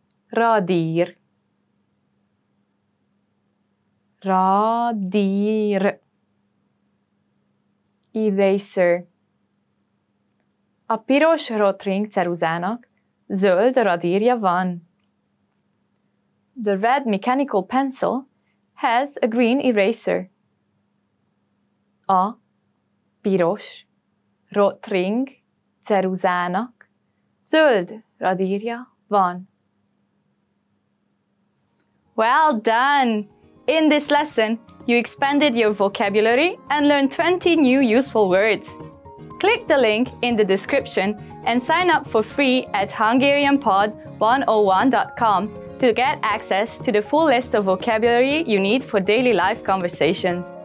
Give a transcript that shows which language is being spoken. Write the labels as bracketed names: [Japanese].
[Hungarian] Radír. Radír. [English] Eraser. [Hungarian] A piros rotring ceruzának zöld radírja van. [English] The red mechanical pencil has a green eraser. [Hungarian] A piros rotring ceruzának zöld radírja van. [English] Well done! In this lesson, you expanded your vocabulary and learned 20 new useful words. Click the link in the description and sign up for free at HungarianPod101.com to get access to the full list of vocabulary you need for daily life conversations.